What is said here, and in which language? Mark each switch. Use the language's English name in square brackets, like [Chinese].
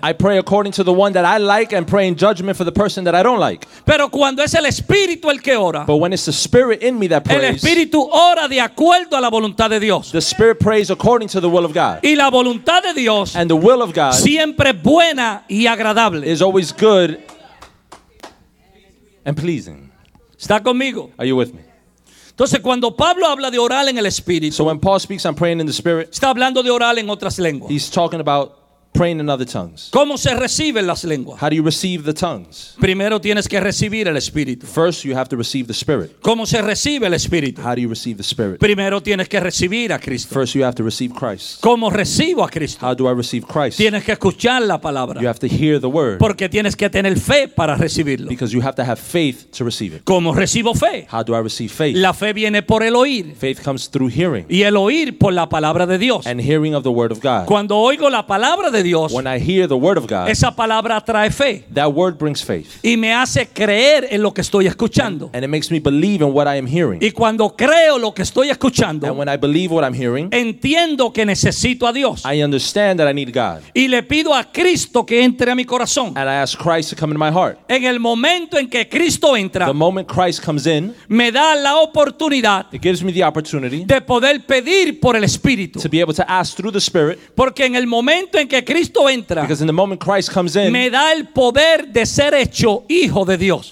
[English] I pray according to the one that I like and pray in judgment for the person that I don't like. [Spanish] Pero cuando es el espíritu el que ora. [English] But when it's the spirit in me that prays. [Spanish] El espíritu ora de acuerdo a la voluntad de Dios. [English] The spirit prays according to the will of God. [Spanish] Y la voluntad de Dios. [English] And the will of God. [Spanish] Siempre buena y agradable. [English] Is always good and pleasing. [Spanish] ¿Está conmigo? [English] Are you with me? [Spanish] Entonces cuando Pablo habla de orar en el Espíritu, [English] so when Paul speaks on praying in the Spirit, [Spanish] está hablando de orar en otras lenguas. [English] He's talking about praying in other tongues. [Spanish] ¿Cómo se reciben las lenguas? [English] How do you receive the tongues? [Spanish] Primero tienes que recibir el Espíritu. [English] First you have to receive the Spirit. [Spanish] ¿Cómo se recibe el Espíritu? [English] How do you receive the Spirit? [Spanish] Primero tienes que recibir a Cristo. [English] First you have to receive Christ. [Spanish] ¿Cómo recibo a Cristo? [English] How do I receive Christ? [Spanish] Tienes que escuchar la palabra. [English] You have to hear the word. [Spanish] Porque tienes que tener fe para recibirlo. [English] Because you have to have faith to receive it. [Spanish] ¿Cómo recibo fe? [English] How do I receive faith? [Spanish] La fe viene por el oír. [English] Faith comes through hearing. [Spanish] Y el oír por la palabra de Dios. [English] And hearing of the word of God. [Spanish] Cuando oigo la palabra de Dios, [English] when I hear the word of God, [Spanish] esa palabra trae fe. [English] That word brings faith. [Spanish] Y me hace creer en lo que estoy escuchando. [English] And it makes me believe in what I am hearing. [Spanish] Y cuando creo lo que estoy escuchando, [English] and when I believe what I'm hearing, [Spanish] entiendo que necesito a Dios. [English] I understand that I need God. [Spanish] Y le pido a Cristo que entre a mi corazón. [English] And I ask Christ to come into my heart. [Spanish] En el momento en que Cristo entra, [English] the moment Christ comes in, [Spanish] me da la oportunidad, [English] it gives me the opportunity, [Spanish] de poder pedir por el Espíritu. [English] To be able to ask through the Spirit. [Spanish] Porque en el momento en que Cristo entra, [English] because in the moment Christ comes in, [Spanish] me da el poder de ser hecho hijo de Dios.